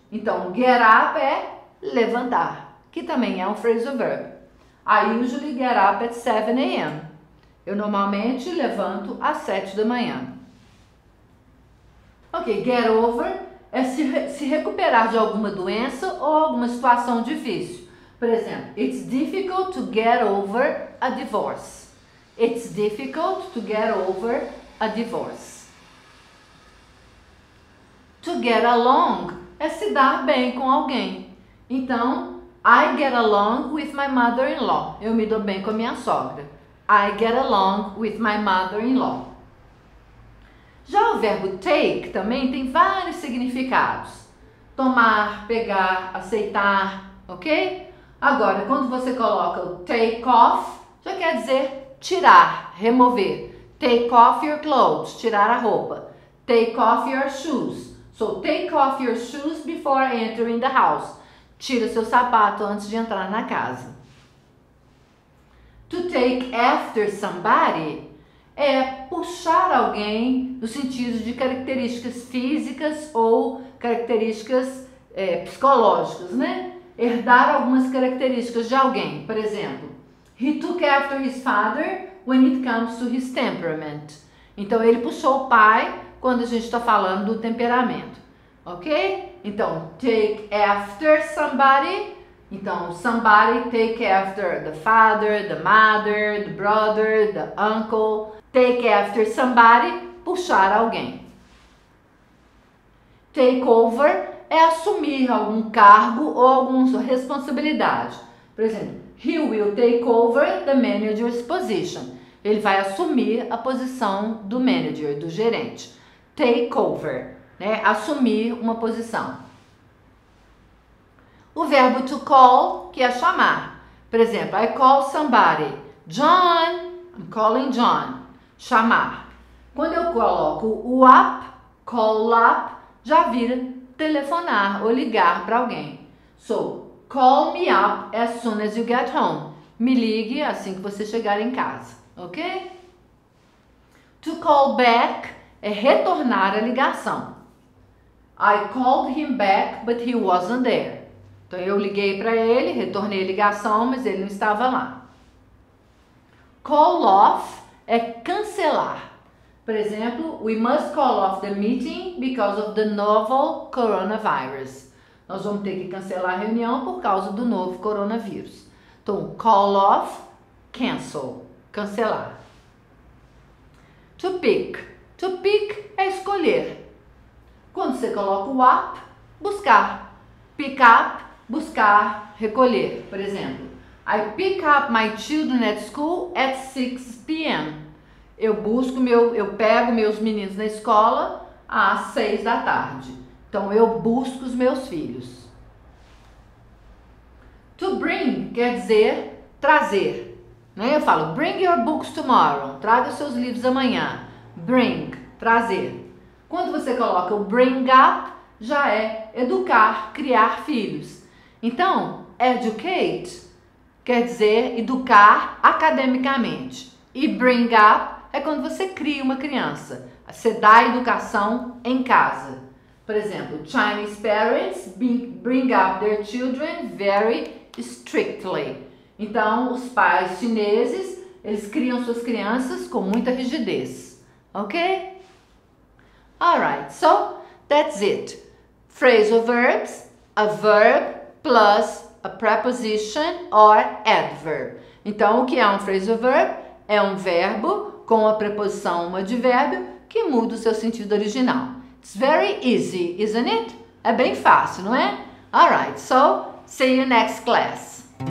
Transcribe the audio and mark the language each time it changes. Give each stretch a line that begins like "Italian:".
Portuguese: Então, get up é levantar, que também é um phrasal verb.
English: I usually get up at 7 a.m.
Portuguese: Eu normalmente levanto às 7 da manhã. Ok, get over é se recuperar de alguma doença ou alguma situação difícil. Por exemplo,
English: it's difficult to get over a divorce. It's difficult to get over a divorce.
Portuguese: To get along é se dar bem com alguém.
English: Então, I get along with my mother-in-law.
Portuguese: Eu me dou bem com a minha sogra.
English: I get along with my mother-in-law.
Portuguese: Já o verbo take também tem vários significados. Tomar, pegar, aceitar, ok? Agora, quando você coloca o take off, já quer dizer tirar, remover.
English: Take off your clothes,
Portuguese: tirar a roupa.
English: Take off your shoes. So, take off your shoes before entering the house.
Portuguese: Tira seu sapato antes de entrar na casa.
English: To take after somebody
Portuguese: é puxar alguém no sentido de características físicas ou características psicológicas, né? Herdar algumas características de alguém. Por exemplo,
English: he took after his father when it comes to his temperament.
Portuguese: Então, ele puxou o pai quando a gente está falando do temperamento. Ok? Então, take after somebody.
English: Então, somebody take after the father, the mother, the brother, the uncle. Take after somebody, puxar alguém.
Portuguese: Take over é assumir algum cargo ou alguma responsabilidade. Por exemplo,
English: he will take over the manager's position.
Portuguese: Ele vai assumir a posição do manager, do gerente. Take over, né? Assumir uma posição. O verbo to call, que é chamar. Por exemplo, I call somebody.
English: John, I'm calling John. Chamar.
Portuguese: Quando eu coloco o up, call up, já vira telefonar ou ligar para alguém.
English: So, call me up as soon as you get home.
Portuguese: Me ligue assim que você chegar em casa, ok? To call back é retornar a ligação.
English: I called him back, but he wasn't there.
Portuguese: Então, eu liguei para ele, retornei a ligação, mas ele não estava lá. Call off é cancelar. Por exemplo,
English: we must call off the meeting because of the novel coronavirus.
Portuguese: Nós vamos ter que cancelar a reunião por causa do novo coronavírus. Então, call off, cancel, cancelar. To pick. To pick é escolher. Quando você coloca o up, buscar.
English: Pick up,
Portuguese: buscar, recolher. Por exemplo,
English: I pick up my children at school at 6 p.m.
Portuguese: Eu pego meus meninos na escola às 6 da tarde. Então, eu busco os meus filhos. To bring quer dizer trazer, né? Eu falo,
English: bring your books tomorrow.
Portuguese: Traga seus livros amanhã. Bring, trazer. Quando você coloca o bring up, já é educar, criar filhos. Então, educate quer dizer educar academicamente. E bring up é quando você cria uma criança. Você dá educação em casa. Por exemplo,
English: Chinese parents bring up their children very strictly.
Portuguese: Então, os pais chineses, eles criam suas crianças com muita rigidez.
English: Ok? Alright, so that's it. Phrasal verbs, a verb plus a preposition or adverb.
Portuguese: Então, o que é um phrasal verb? É um verbo com a preposição, um advérbio, que muda o seu sentido original.
English: It's very easy, isn't it?
Portuguese: É bem fácil, não é?
English: Alright, so see you next class.